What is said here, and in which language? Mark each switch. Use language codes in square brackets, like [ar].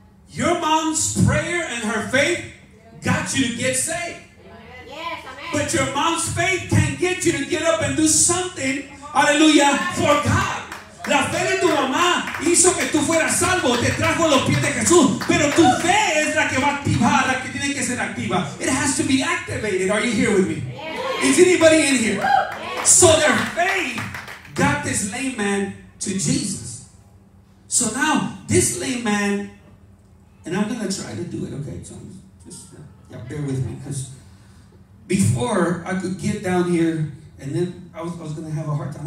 [en] Your mom's prayer and her faith got you to get saved. But your mom's faith can't get you to get up and do something, aleluya, for God. [es] La fe de tu mamá hizo que tú fueras salvo, te trajo a los pies de Jesús. Pero tu fe es la que va a activar, la que tiene que ser activa. [en] It has to be activated. Are you here with me? Is anybody in here? So their faith got this lame man to Jesus. So now, this lame man, and I'm going to try to do it, okay? So just bear with me. Because before I could get down here, and then I was going to have a hard time.